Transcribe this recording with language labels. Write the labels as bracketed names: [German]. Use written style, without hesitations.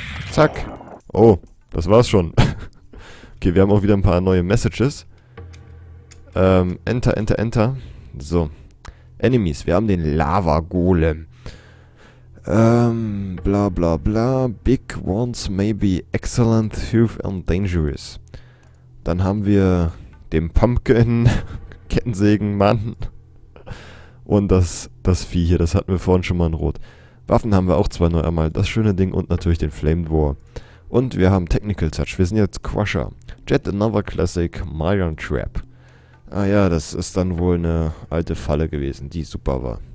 [German] Zack. Oh, das war's schon. Okay, wir haben auch wieder ein paar neue Messages. Enter, enter, enter. So. Enemies, wir haben den Lava-Golem. Bla bla bla. [English] Big ones may be excellent, huge and dangerous. [German] Dann haben wir den Pumpkin... Kettensägen, Mann. Und das Vieh hier, das hatten wir vorhin schon mal in Rot. Waffen haben wir auch zwei neu einmal. Das schöne Ding und natürlich den Flamed War. Und wir haben Technical Touch. Wir sind jetzt Crusher. Jet Another Classic, Myron Trap. Ah ja, das ist dann wohl eine alte Falle gewesen, die super war.